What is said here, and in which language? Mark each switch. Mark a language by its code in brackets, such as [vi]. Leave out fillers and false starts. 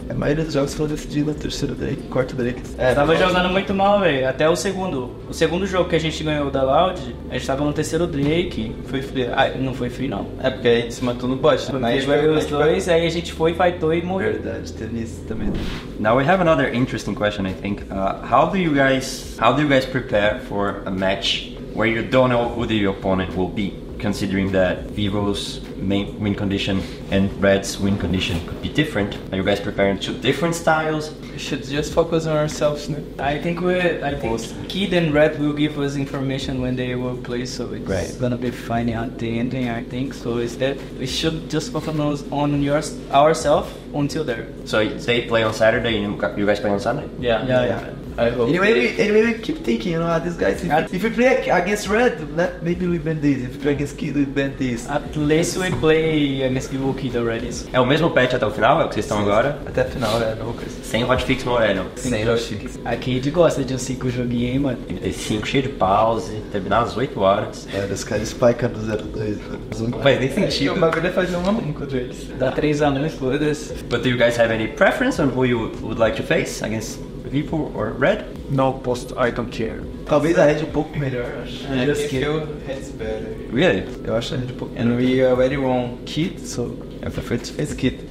[pt] A maioria dos jogos foi decidido no terceiro Drake, quarto Drake. Tava jogando muito mal, velho. Até o segundo. O segundo jogo que a gente ganhou da Loud, a gente tava no terceiro Drake. Foi free. Ah, não foi free, não. É porque a gente se matou no bot. Mas foi os dois, aí a gente foi, fightou e morreu. Verdade, teve isso também. [en] Now we have another interesting question, I think. How do you guys prepare for a match where you don't know who the opponent will be? considering that Vivo's main win condition and Red's win condition could be different. Are you guys preparing two different styles? We should just focus on ourselves, no? I think Kid and Red will give us information when they will play, so it's right. Gonna be fine at the ending, I think. So instead, we should just focus on ourselves until there. So they play on Saturday and you guys play on Sunday? Yeah. I hope. Anyway, we keep thinking, you know, these guys. If we play against Red, maybe we ban this. If we play against Kid, we ban this. At least we play against Vivo Kid already. [pt] É o mesmo patch até o final? É o que vocês estão agora? Até o final, né, Lucas? Sem hotfix Moreno. Sem hotfix. A Kid gosta de um 5 joguinho, hein, mano? 35, cheio de pause, terminar às 8 horas. É, os caras spikam do 0-2, mano. Não faz nem sentido. O bagulho é fazer um amigo contra eles. Dá 3 anões, foda-se. [en] But do you guys have any preference on who you would like to face against Vivo or Red? No, post, I don't care. [pt] Talvez a Red um pouco melhor, eu acho. [en] I just feel Red's better. Really? [pt] Eu acho a Red um pouco melhor. [en] And we already won Kid, so I prefer to face Kid.